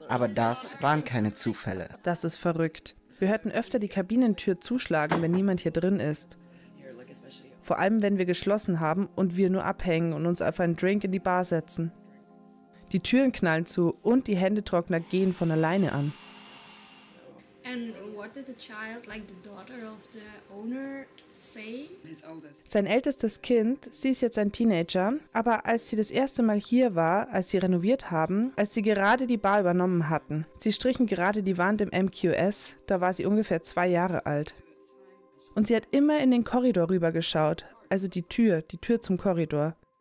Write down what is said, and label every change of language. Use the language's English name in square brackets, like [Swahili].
[German] Aber das waren keine Zufälle. Das ist verrückt. Wir hörten öfter die Kabinentür zuschlagen, wenn niemand hier drin ist. Vor allem, wenn wir geschlossen haben und wir nur abhängen und uns auf einen Drink in die Bar setzen. Die Türen knallen zu und die Händetrockner gehen von alleine an. [English] And what did the child, like the daughter of the owner, say? His oldest. [German] Sein ältestes Kind, sie ist jetzt ein Teenager, aber als sie das erste Mal hier war, als sie renoviert haben, als sie gerade die Bar übernommen hatten, sie strichen gerade die Wand im MQS, da war sie ungefähr 2 Jahre alt. Und sie hat immer in den Korridor rüber geschaut, also die Tür zum Korridor.